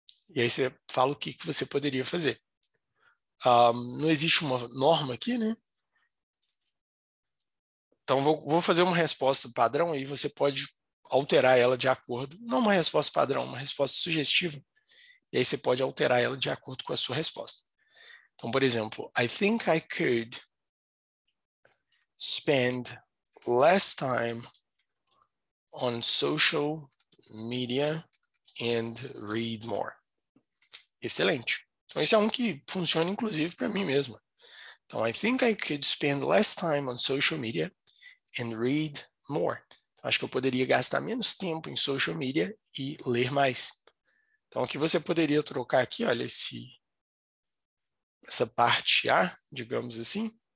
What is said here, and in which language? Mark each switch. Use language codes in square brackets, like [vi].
[pt] E aí você fala o que você poderia fazer. Não existe uma norma aqui, né? Então, vou fazer uma resposta padrão e você pode alterar ela de acordo. Não uma resposta padrão, uma resposta sugestiva. E aí você pode alterar ela de acordo com a sua resposta. Então, por exemplo, [en] I think I could spend less time on social media and read more. [pt] Excelente. Então, esse é um que funciona, inclusive, para mim mesmo. Então, [en] I think I could spend less time on social media and read more. [pt] Então, acho que eu poderia gastar menos tempo em social media e ler mais. Então, aqui você poderia trocar aqui, olha, essa parte A, digamos assim.